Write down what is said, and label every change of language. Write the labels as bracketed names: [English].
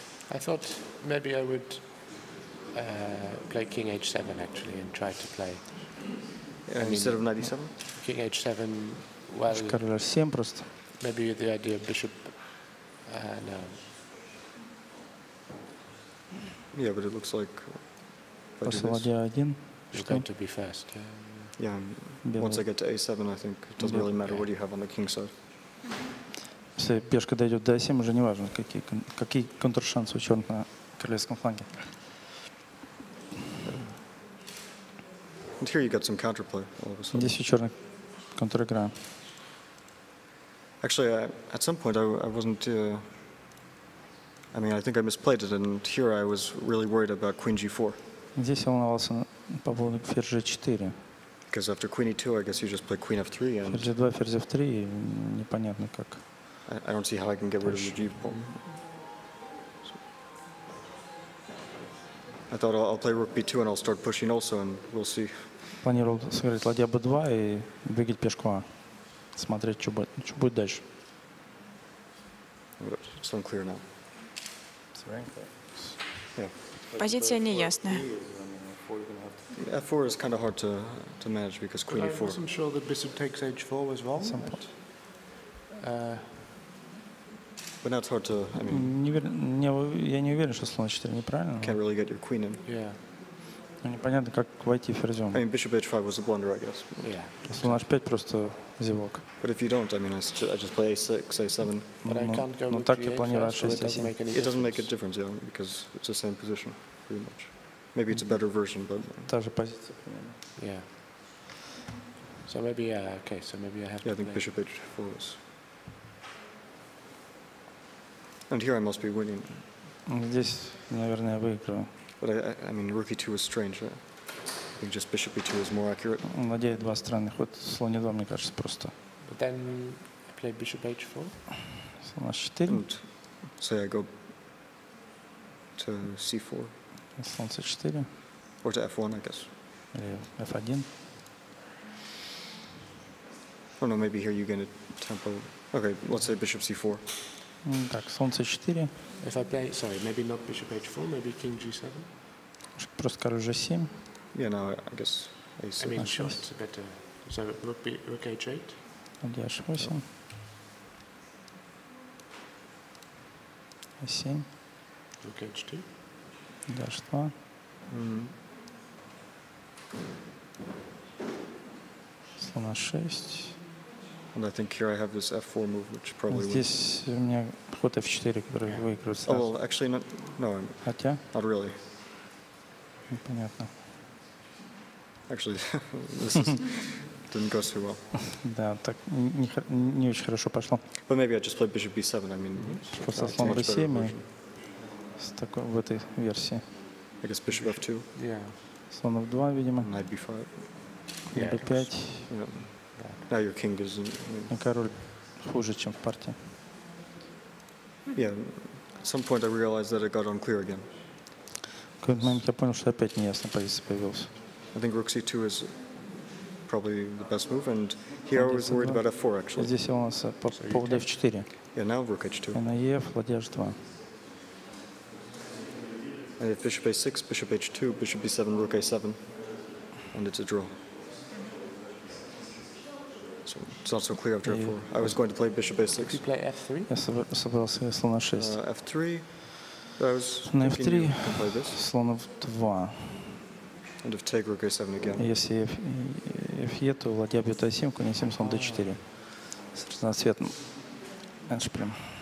[English] I thought maybe I would play king h7 actually and try to play instead of knight e7? King h7, well, [Russian] король h7 просто. [English] Maybe the idea of bishop, no. Yeah, but it looks like [Russian] после ладья 1. [English] You're going to be fast. Yeah, once I get to a7, I think it doesn't really matter what you have on the king side. [Russian] Если пешка дойдет до a7, уже не важно, какие контршансы у черных на королевском фланге. [English] And here you got some counterplay all of a sudden. [Russian] Здесь у черных контр-игра. [English] Actually, at some point I wasn't... I mean, I think I misplayed it, and here I was really worried about queen g4. [Russian] Здесь я волновался по поводу ферзь g4. [English] Because after queen e2, I guess you just play queen f3 and... [Russian] Ферзь g2, ферзь f3, и непонятно как. [English] I don't see how I can get rid of the g pawn. I thought I'll play rook b2 and I'll start pushing also, and we'll see. [Russian] Планировал сыграть ладья b2 и двигать пешку а. Смотреть, что будет дальше. [English] It's unclear now. It's very unclear. Yeah. [Russian] Позиция неясная. [English] F4 is kind of hard to manage because queen e4. I wasn't sure that bishop takes h4 as well. Some point. But now it's hard to. [Russian] Я не уверен, что слон h4 неправильно. [English] Can't really get your queen in. Yeah. [Russian] Непонятно, как войти ферзем. [English] I mean, bishop h5 was a blunder, I guess. Yeah. [Russian] Слон h5 просто зевок. [English] But if you don't, I mean, I just play a6, a7. But I can't go with g8. It doesn't make a difference, yeah, because it's the same position, pretty much. Maybe it's a better version, but. [Russian] Та же позиция. [English] Yeah. So maybe, okay. So maybe I have to. Yeah, I think bishop h4 was. And here I must be winning. [Russian] Здесь, наверное, я выиграю. [English] But I mean, rook e2 is strange. I think just bishop e2 is more accurate. [Russian] Ладья два странный ход. Слон e2, мне кажется, просто. [English] But then I play bishop h4. [Russian] Слон h4. [English] And say I go to c4. [Russian] Слон c4. [English] Or to f1, I guess. [Russian] Или f1. [English] Oh no, maybe here you gain a tempo. Okay, let's say bishop c4. [Russian] Так, слон c4. [English] If I play, sorry, maybe not bishop h4, maybe king g7. [Russian] Просто король g7. [English] Yeah, now I guess a6. I mean, sure, it's better. So rook h8. [Russian] Ладья h8. [English] a7. Rook h2. [Russian] Ладья h2. Слон h6. [English] And I think here I have this f4 move, which probably [Russian] здесь у меня ход f4, который выиграет сразу. [English] Oh, well, actually, not, no, I'm [Russian] хотя? [English] Not really. [Russian] Понятно. [English] Actually, this didn't go so well. [Russian] Да, так не очень хорошо пошло. [English] But maybe I just played bishop b7, I mean, it's a slow version. [Russian] С такой, в этой версии. [English] I guess bishop f2. Yeah. [Russian] Слон f2, видимо. [English] Knight b5. Yeah, b5. Now your king is. In, [Russian] король хуже, чем в партии. [English] Yeah, at some point I realized that it got unclear again. [Russian] Какой-то момент я понял, что опять неясная позиция появилась. [English] I think rook c2 is probably the best move, and here I was worried about f4 actually. [Russian] Здесь у нас по поводу f4. [English] Yeah, now rook h2. [Russian] На еф, ладья h2. [English] And if bishop a6, bishop h2, bishop b7, rook a7, and it's a draw. It's not so clear after f4. I was going to play bishop a6. You play f3? [Russian] Я собирался играть слон h6. [English] F3. I was thinking f3, you can play this. [Russian] Слон f2. [English] And if take rook a7 again. [Russian] Если fe, то ладья бьет a7, конь a7, слон d4. С разноцветным эндшпилем.